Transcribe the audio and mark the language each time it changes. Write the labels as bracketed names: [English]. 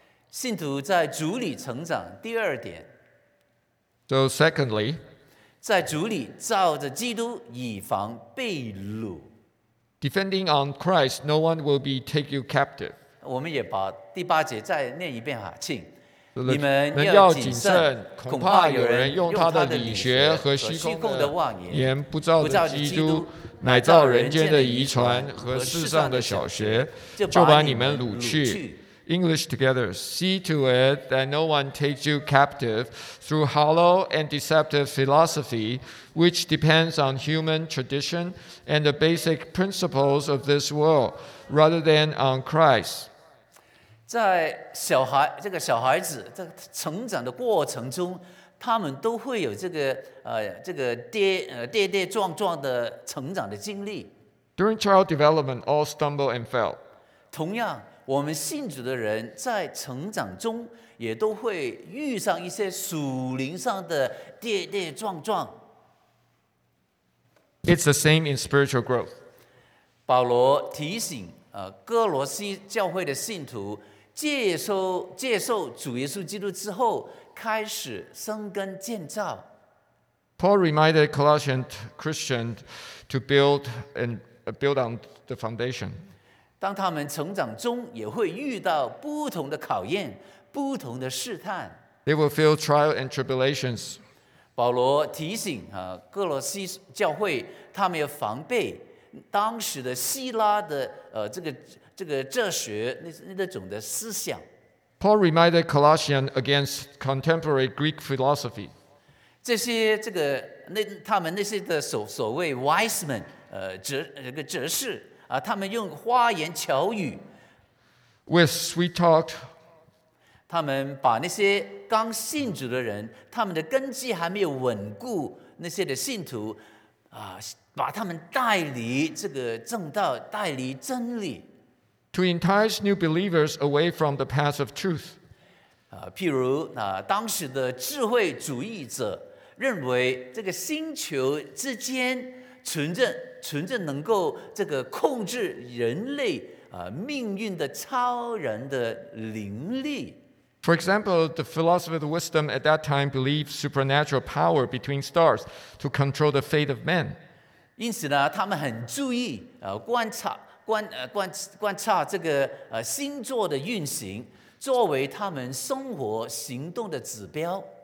[Chinese] 信徒在主里成长。第二点。 [English] So secondly, [Chinese] 在主里照着基督以防被掳。 [English] Defending on Christ, no one will be take you captive. [Chinese] 我们也把第八节再念一遍哈，请。你们要谨慎，恐怕有人用他的理学和虚空的妄言，不照着基督，乃照人间的遗传和世上的小学，就把你们掳去。 [English] English together. See to it that no one takes you captive through hollow and deceptive philosophy, which depends on human tradition and the basic principles of this world, rather than on Christ. [Chinese] 在小孩这个小孩子在成长的过程中，他们都会有这个跌跌撞撞的成长的经历。 [English] During child development, all stumble and fell. [Chinese] 同样，我们信主的人在成长中也都会遇上一些属灵上的跌跌撞撞。 [English] It's the same in spiritual growth. [Chinese] 保罗提醒哥罗西教会的信徒，接受主耶稣基督之后，开始生根建造。 [English] Paul reminded Colossian Christians to build on the foundation. [Chinese] 当他们成长中，也会遇到不同的考验，不同的试探。 [English] They will feel trial and tribulations. [Chinese] 保罗提醒哥罗西教会，他们要防备当时的希腊的这个哲学那种的思想。 [English] Paul reminded Colossians against contemporary Greek philosophy. [Chinese] 这些这个那他们那些的所谓 [English] wise men [Chinese] 哲士他们用花言巧语 [English] with sweet talk. [Chinese] 他们把那些刚信主的人，他们的根基还没有稳固，那些的信徒把他们带离这个正道，带离真理。 [English] To entice new believers away from the path of truth. [Chinese] 譬如当时的智慧主义者认为这个星球之间存着能够这个控制人类命运的超人的灵力。 [English] For example, the philosophy of wisdom at that time believed supernatural power between stars to control the fate of men. [Chinese] 因此呢，他们很注意观察这个星座的运行，作为他们生活行动的指标。